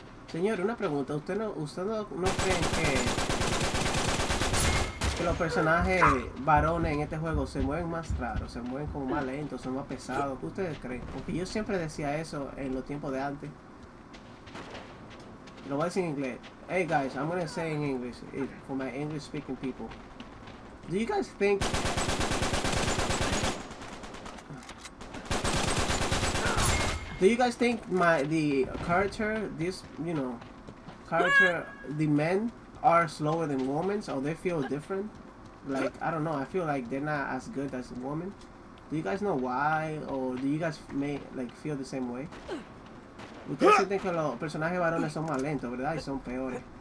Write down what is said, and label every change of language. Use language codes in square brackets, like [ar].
[es] Señor, una pregunta. ¿Usted no cree que los personajes varones en este juego se mueven más raros, se mueven como más lentos, son más pesados? ¿Qué ustedes creen? Porque yo siempre decía eso en los tiempos de antes. Lo voy a decir en inglés. [en] Hey guys, I'm gonna say in English for my English speaking people. Do you guys think Do you guys think the character, this, you know, character, the men are slower than women, or they feel different? Like, I don't know, I feel like they're not as good as women. Do you guys know why, or do you guys feel the same way? [es] Ustedes sienten que los personajes varones son más lentos, ¿verdad? Y son peores.